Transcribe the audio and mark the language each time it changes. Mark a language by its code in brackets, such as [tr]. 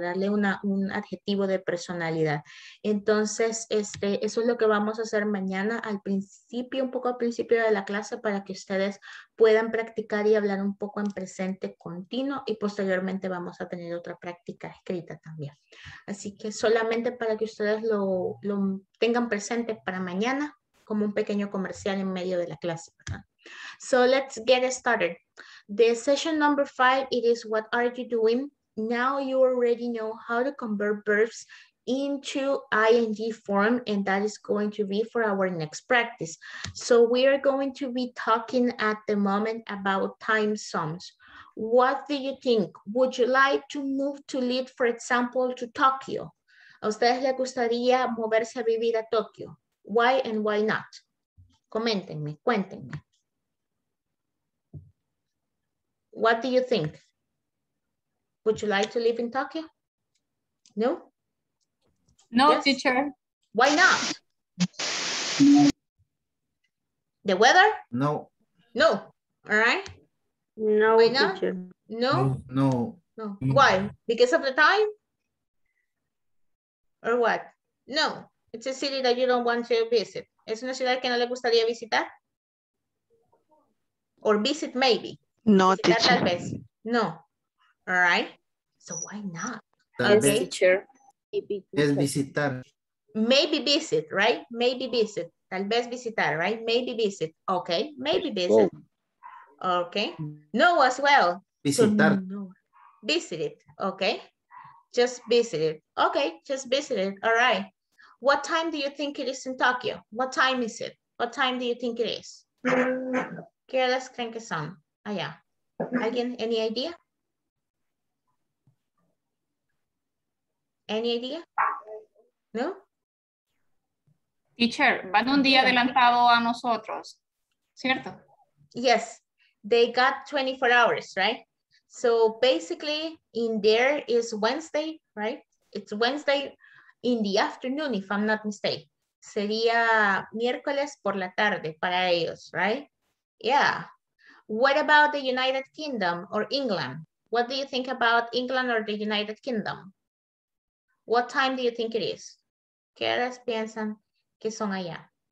[es] Darle un adjetivo de personalidad. Entonces, eso es lo que vamos a hacer mañana al principio, un poco al principio de la clase, para que ustedes puedan practicar y hablar un poco en presente continuo, y posteriormente vamos a tener otra práctica escrita también. Así que solamente para que ustedes lo tengan presente para mañana, como un pequeño comercial en medio de la clase, ¿verdad? [en] So let's get started. The session number 5, it is what are you doing? Now you already know how to convert verbs into ing form, and that is going to be for our next practice. So we are going to be talking at the moment about time zones. What do you think? Would you like to move to live, for example, to Tokyo? [es] ¿A ustedes les gustaría moverse a vivir a Tokyo? [en] why and why not? [es] Coméntenme, cuéntenme. [en] What do you think? Would you like to live in Tokyo? No? No, yes? Teacher. Why not? The weather? No. No. All right? No, why not? Teacher. No? No. No. Why? Because of the time? Or what? No. It's a city that you don't want to visit. [es] ¿Es una ciudad que no le gustaría visitar? [en] Or visit maybe. [es] No, visitar, teacher. Tal vez. [en] No. All right? So why not? Okay. Teacher. [es] Es visitar. [en] Maybe visit, right? Maybe visit. [es] Tal vez visitar, [en] right? Maybe visit. Okay. Maybe visit. Okay. No as well. [es] Visitar. [en] So, no. Visit it. Okay. Just visit it. Okay. Just visit it. All right. What time do you think it is in Tokyo? What time is it? What time do you think it is? [es] ¿Qué horas creen que son? [en] Ah, yeah. Again, any idea? Any idea? No? [es] Teacher, van un día adelantado a nosotros, ¿cierto? [en] Yes, they got 24 hours, right? So basically in there is Wednesday, right? It's Wednesday in the afternoon, if I'm not mistaken. [es] Sería miércoles por la tarde para ellos, right? [en] Yeah. What about the United Kingdom or England? What do you think about England or the United Kingdom? What time do you think it is? [es] ¿Qué horas piensan? ¿Qué son allá?